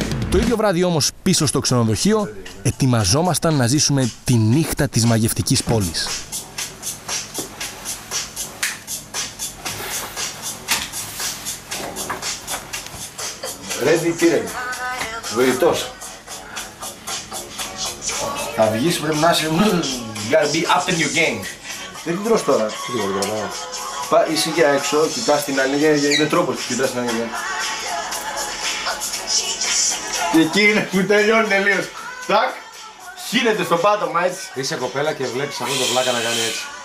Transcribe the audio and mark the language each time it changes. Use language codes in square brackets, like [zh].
[el] Το ίδιο βράδυ όμως πίσω στο ξενοδοχείο, ετοιμαζόμασταν να ζήσουμε τη νύχτα της μαγευτικής πόλης. Ρέντι Τίρελ. Βοηθός. Θα βγεις, πρέπει να είσαι... [en] You gotta be up in your game. [el] Δεν την τρως τώρα. Τι δεν τρως τώρα. Είσαι για έξω, κοιτάς την άλλη, είναι τρόπος που κοιτάς την άλλη. Και εκεί είναι που τελειώνει τελείως. Τακ. Χύνεται στο πάτωμα έτσι. Είσαι κοπέλα και βλέπεις αυτό το βλάκα να κάνει έτσι.